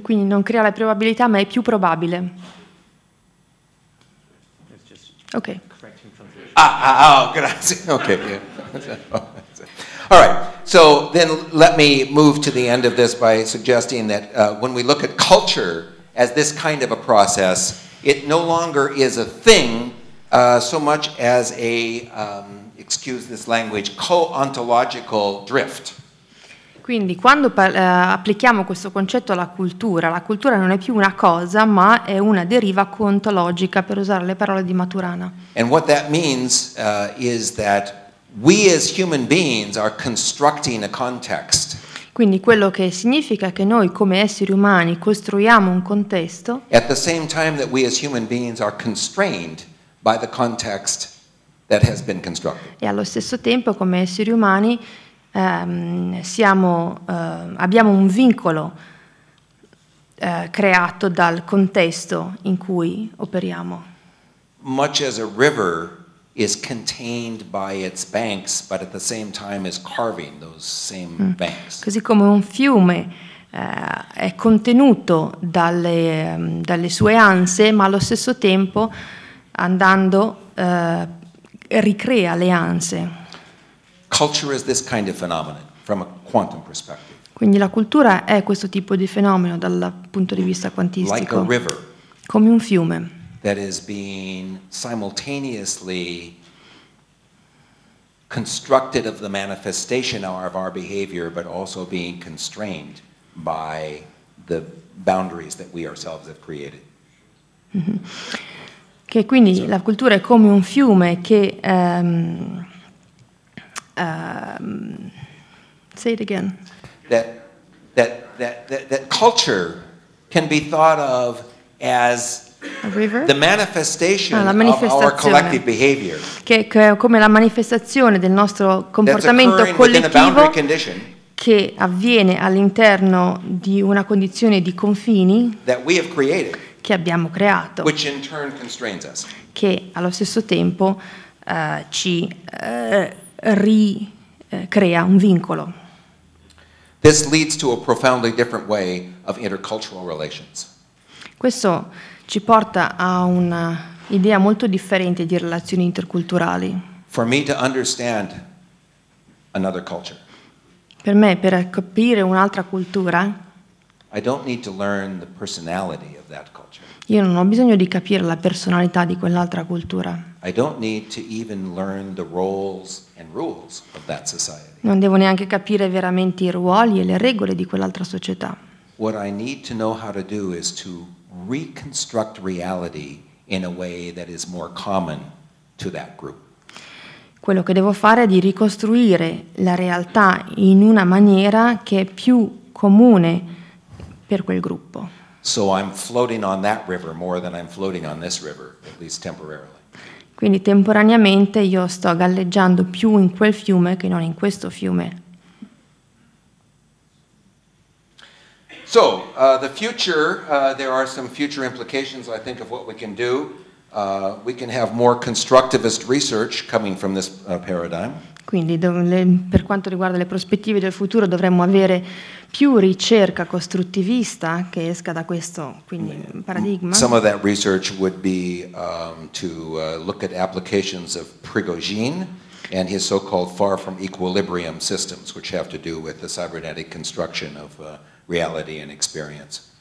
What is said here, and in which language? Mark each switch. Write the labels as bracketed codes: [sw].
[it] Quindi non crea le probabilità, ma è più probabile. Ok. [en] All right, so then let me move to the end of this by suggesting that when we look at culture as this kind of a process, it no longer is a thing so much as a, excuse this language, co-ontological drift. [it] Quindi quando applichiamo questo concetto alla cultura, la cultura non è più una cosa, ma è una deriva ontologica, per usare le parole di Maturana. [en] And what that means is that we as human beings are constructing a context. [it] Quindi quello che significa che noi come esseri umani costruiamo un contesto. [en] At the same time that we as human beings are constrained by the context that has been constructed. [it] E allo stesso tempo come esseri umani abbiamo un vincolo creato dal contesto in cui operiamo. [en] Much as a river is contained by its banks, but at the same time is carving those same banks. [it] Così come un fiume è contenuto dalle sue anse, ma allo stesso tempo andando ricrea le anse. [en] Culture is this kind of phenomenon from a quantum perspective. [it] Quindi la cultura è questo tipo di fenomeno dal punto di vista quantistico. [en] Like a river. [it] Come un fiume. [en] That is being simultaneously constructed of the manifestation of our behavior, but also being constrained by the boundaries that we ourselves have created. [it] Che quindi la cultura è come un fiume che [en] say it again. That culture can be thought of as a river? The manifestation of our collective behavior. [it] Che è come la manifestazione del nostro comportamento collettivo che avviene all'interno di una condizione di confini [en] that we have created, [it] che abbiamo creato, [en] which in turn constrains us. [it] Che allo stesso tempo crea un vincolo. [en] This leads to a profoundly different way of intercultural relations. [it] Questo ci porta a una idea molto differente di relazioni interculturali. [en] For me to understand another culture. [it] Per me, per capire un'altra cultura, [en] I don't need to learn the personality of that culture. [it] Io non ho bisogno di capire la personalità di quell'altra cultura. [en] I don't need to even learn the roles and rules of that society. [it] Non devo neanche capire veramente i ruoli e le regole di quell'altra società. [en] What I need to know how to do is to reconstruct reality in a way that is more common to that group. [it] Quello che devo fare è di ricostruire la realtà in una maniera che è più comune per quel gruppo. [en] So I'm floating on that river more than I'm floating on this river, at least temporarily. [it] Quindi temporaneamente io sto galleggiando più in quel fiume che non in questo fiume. [en] So, the future, there are some future implications, I think, of what we can do. We can have more constructivist research coming from this paradigm. [it] Quindi, per quanto riguarda le prospettive del futuro, dovremmo avere più ricerca costruttivista che esca da questo, quindi, paradigma. [en] Some of that research would be to look at applications of Prigogine and his so-called far from equilibrium systems, which have to do with the cybernetic construction of reality and experience.